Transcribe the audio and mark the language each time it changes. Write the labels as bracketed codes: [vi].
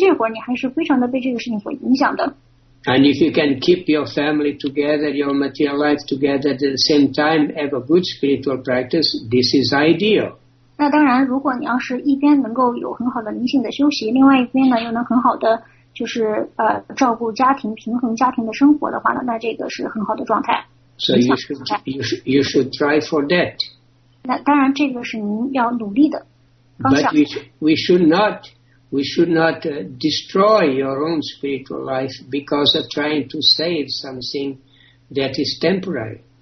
[zh] 那么因为在最开始的时候呢，肯定你会更加的担心你的这个家庭生活呀，你的物质的生活呀，因为这会儿你还是非常的被这个事情所影响的。 [en] And if you can keep your family together, your material life together at the same time, have a good spiritual practice, this is ideal. [zh] 那当然，如果你要是一边能够有很好的灵性的休息，另外一边呢又能很好的就是照顾家庭，平衡家庭的生活的话呢，那这个是很好的状态。 [en] So you should try for that. [zh] 那当然，这个是您要努力的方向。 [en] But we should not destroy your own spiritual life because of trying to save something that is temporary.